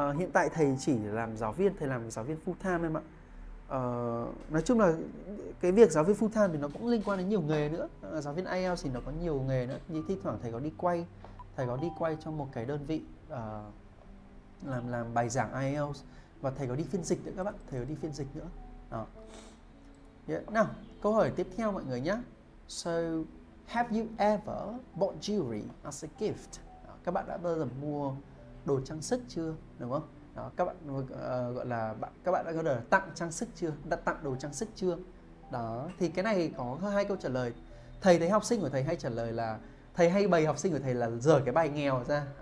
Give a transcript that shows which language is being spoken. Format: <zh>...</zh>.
<vi>Hiện tại thầy chỉ làm giáo viên, thầy làm giáo viên full time em ạ. Nói chung là cái việc giáo viên full time thì nó cũng liên quan đến nhiều nghề nữa. Giáo viên IELTS thì nó có nhiều nghề nữa. Như thi thoảng thầy có đi quay, thầy có đi quay cho một cái đơn vị làm bài giảng IELTS, và thầy có đi phiên dịch nữa các bạn, thầy có đi phiên dịch nữa. Đó. Yeah. Nào, câu hỏi tiếp theo mọi người nhé.</vi> <en>So, have you ever bought jewelry as a gift?</en> <vi>Các bạn đã bao giờ mua đồ trang sức chưa, đúng không? Đó, các bạn gọi là các bạn đã có được tặng trang sức chưa, đã tặng đồ trang sức chưa? Đó, thì cái này có hai câu trả lời. Thầy thấy học sinh của thầy hay trả lời là thầy hay bày học sinh của thầy là dở cái bài nghèo ra.</vi>